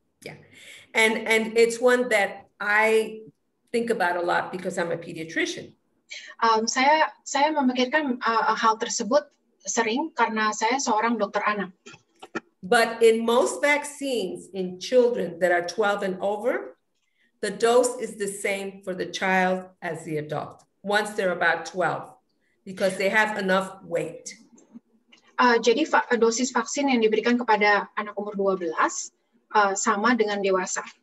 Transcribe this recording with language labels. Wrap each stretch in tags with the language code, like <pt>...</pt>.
<en>Yeah, and it's one that I think about a lot because I'm a pediatrician.</en> <id>Saya memikirkan hal tersebut sering karena saya seorang dokter anak.</id> <en>But in most vaccines in children that are 12 and over, the dose is the same for the child as the adult once they're about 12, because they have enough weight.</en> <id>Jadi dosis vaksin yang diberikan kepada anak umur 12 sama dengan dewasa.</id>